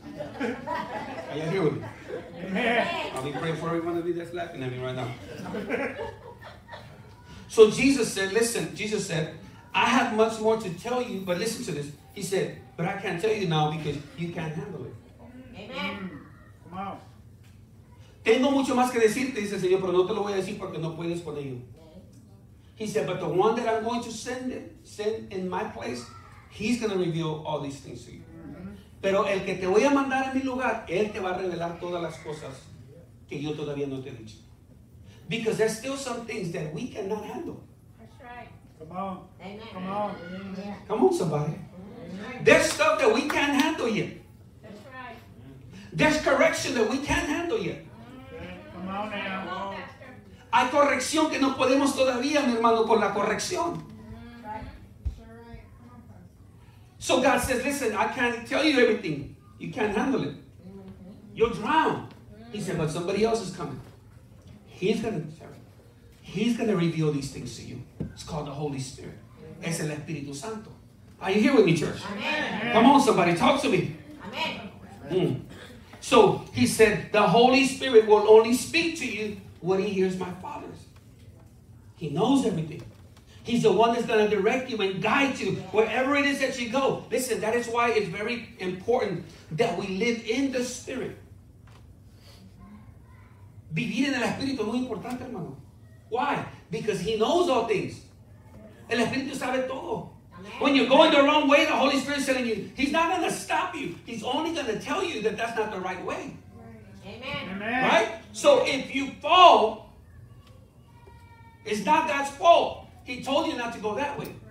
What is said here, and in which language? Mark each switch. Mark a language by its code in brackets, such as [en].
[en] Are you here with me? Amen. I'll be praying for every one of you that's laughing at me right now. So Jesus said, listen, Jesus said, I have much more to tell you, but listen to this. He said, but I can't tell you now because you can't handle it. Amen. Come on. [es] Tengo mucho más que decirte, dice el Señor, pero no te lo voy a decir porque no puedes con ello. [en] He said, but the one that I'm going to send in my place, he's going to reveal all these things to you. [es] Pero el que te voy a mandar a mi lugar, él te va a revelar todas las cosas que yo todavía no te he dicho. [en] Because there's still some things that we cannot handle. That's right. Come on. Amen. Come on. Amen. Come on, somebody. Amen. There's stuff that we can't handle yet. That's right. There's correction that we can't handle yet. Come on now. Come on. [es] Hay corrección que no podemos todavía, mi hermano, con la corrección. [en] So God says, listen, I can't tell you everything. You can't handle it. You'll drown. He said, but somebody else is coming. He's going to reveal these things to you. It's called the Holy Spirit. [es] Es el Espíritu Santo. [en] Are you here with me, church? Amen. Come on, somebody. Talk to me. Amen. Mm. So he said, the Holy Spirit will only speak to you when he hears my Father's. He knows everything. He's the one that's going to direct you and guide you wherever it is that you go. Listen, that is why it's very important that we live in the Spirit. [es] Vivir en el Espíritu es muy importante, hermano. [en] Why? Because he knows all things. [es] El Espíritu sabe todo. [en] When you're going the wrong way, the Holy Spirit is telling you, he's not going to stop you. He's only going to tell you that that's not the right way. Amen. Right? So if you fall, it's not God's fault. He told you not to go that way.